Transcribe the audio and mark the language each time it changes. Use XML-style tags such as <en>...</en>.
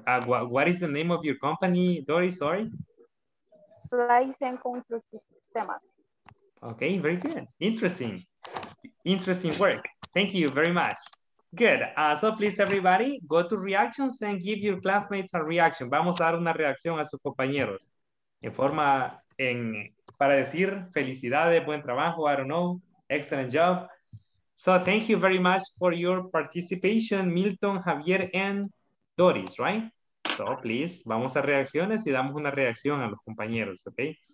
<en>What is the name of your company, Dori? Sorry. Slice and Control Systema. Okay, very good. Interesting. Interesting work. Thank you very much. Good. So please, everybody, go to reactions and give your classmates a reaction.</en> <es>Vamos a dar una reacción a sus compañeros. En forma, en, para decir felicidades, buen trabajo,</es> <en>I don't know, excellent job. So thank you very much for your participation, Milton, Javier, and Doris, right? So please,</en> <es>vamos a reacciones y damos una reacción a los compañeros, okay?</es>